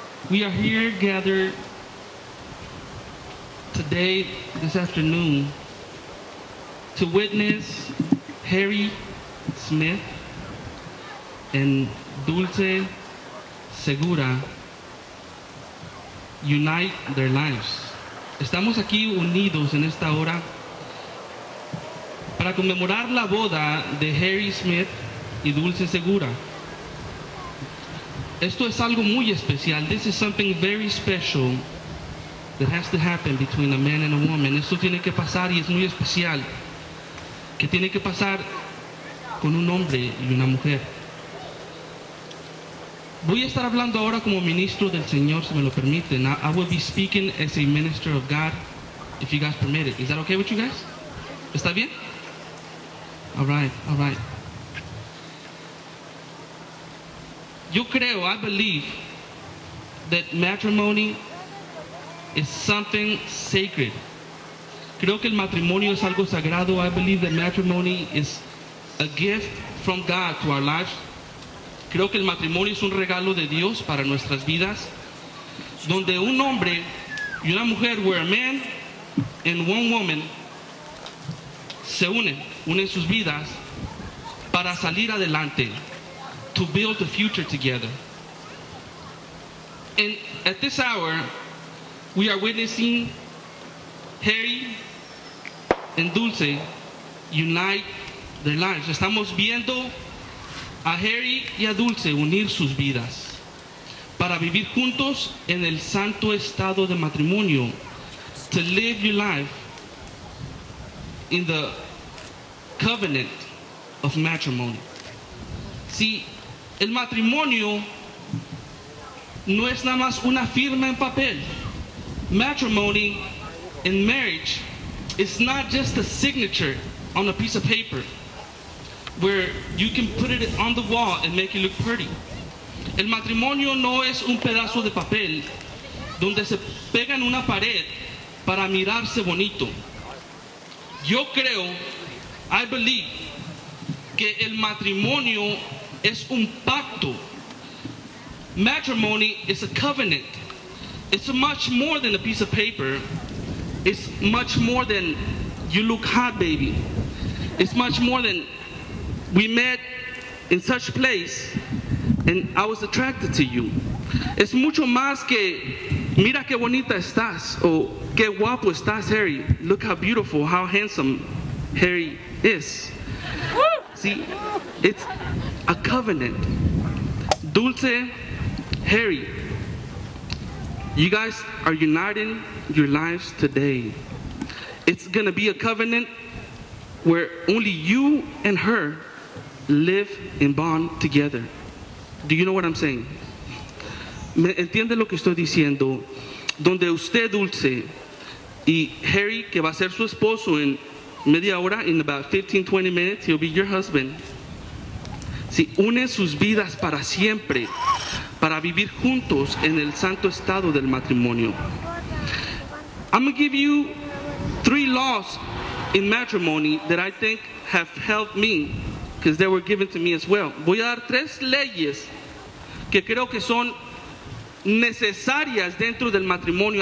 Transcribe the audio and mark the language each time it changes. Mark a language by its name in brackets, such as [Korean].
[English] We are here gathered today, this afternoon, to witness Harry Smith and Dulce Segura unite their lives. [Spanish] Estamos aquí unidos en esta hora para conmemorar la boda de Harry Smith y Dulce Segura. Esto es algo muy especial. [English] This is something very special that has to happen between a man and a woman. [Spanish] Esto tiene que pasar y es muy especial. Que tiene que pasar con un hombre y una mujer. Voy a estar hablando ahora como ministro del Señor, si me lo permiten. [English] I will be speaking as a minister of God, if you guys permit it. Is that okay with you guys? [Spanish] ¿Está bien? [English] All right, all right. [Spanish] Yo creo, [English] I believe, that matrimony is something sacred. [Spanish] Creo que el matrimonio es algo sagrado. [English] I believe that matrimony is a gift from God to our lives. [Spanish] Creo que el matrimonio es un regalo de Dios para nuestras vidas. Donde un hombre y una mujer, [English] where a man and one woman, [Spanish] se unen, unen sus vidas para salir adelante. [English] To build the future together. And at this hour, we are witnessing Harry and Dulce unite their lives. [Spanish] Estamos viendo a Harry y a Dulce unir sus vidas para vivir juntos en el santo estado de matrimonio. [English] To live your life in the covenant of matrimony. [Spanish] See, el matrimonio no es nada más una firma en papel. [English] Matrimony and marriage is not just a signature on a piece of paper where you can put it on the wall and make it look pretty. [Spanish] El matrimonio no es un pedazo de papel donde se pega en una pared para mirarse bonito. Yo creo, [English] I believe, [Spanish] que el matrimonio es un pacto. [English] Matrimony is a covenant. It's much more than a piece of paper. It's much more than you look hot, baby. It's much more than we met in such place and I was attracted to you. [Spanish] Es mucho más que mira qué bonita estás o qué guapo estás, Harry. [English] Look how beautiful, how handsome Harry is. See, it's a covenant. Dulce, Harry, you guys are uniting your lives today. It's gonna be a covenant where only you and her live in bond together. Do you know what I'm saying? [Spanish] ¿Me entiende lo que estoy diciendo? Donde usted, Dulce, y Harry, que va a ser su esposo en media hora, [English] in about 15, 20 minutes, he'll be your husband. [Spanish] Si unen sus vidas para siempre, para vivir juntos en el santo estado del matrimonio. [English] I'm going to give you three laws in matrimony that I think have helped me, because they were given to me as well. [Spanish] Voy a dar tres leyes que creo que son necesarias dentro del matrimonio.